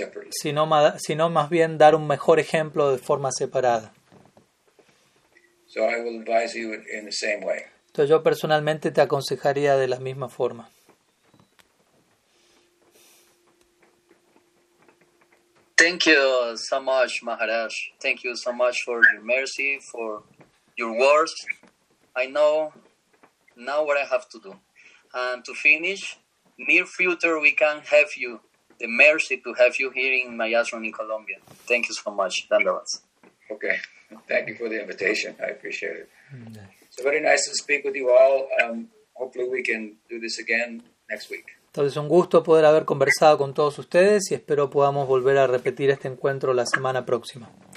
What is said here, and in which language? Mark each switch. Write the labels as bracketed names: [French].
[Spanish] Sino más bien dar un mejor ejemplo de forma separada. [English] So I will advise you in the same way. [Spanish] Entonces yo personalmente te aconsejaría de la misma forma. [English] Thank you so much, Maharaj. Thank you so much for your mercy, for your words. I know now what I have to do. And to finish, near future we can have you, the mercy to have you here in my ashram in Colombia. Thank you so much, Dandavas. Okay. Thank you for the invitation. I appreciate it. So very nice to speak with you all. Hopefully we can do this again next week. [Spanish] Entonces, un gusto poder haber conversado con todos ustedes y espero podamos volver a repetir este encuentro la semana próxima.